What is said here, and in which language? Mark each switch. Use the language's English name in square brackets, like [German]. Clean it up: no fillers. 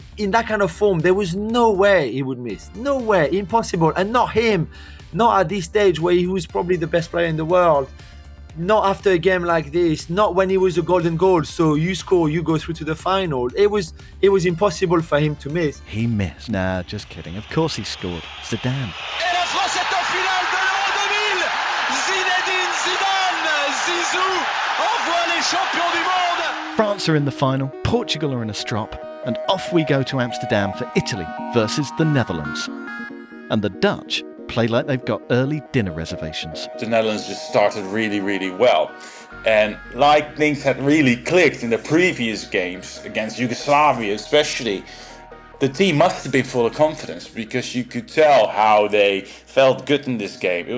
[English] In that kind of form, there was no way he would miss. No way. Impossible. And not him. Not at this stage where he was probably the best player in the world. Not after a game like this. Not when he was a golden goal. So you score, you go through to the final. It was impossible for him to miss. He missed. Nah, just kidding. Of course he scored. Zidane. [French] Et la France est en finale de l'Euro 2000. Zinedine Zidane. Zizou envoie les champions du monde. [English] France are in the final. Portugal are in a strop. And off we go to Amsterdam for Italy versus the Netherlands. And the Dutch play like they've got early dinner reservations. The Netherlands just started really, really well. And like things had really clicked in the previous games against Yugoslavia especially, the team must have been full of confidence because you could tell how they felt good in this game.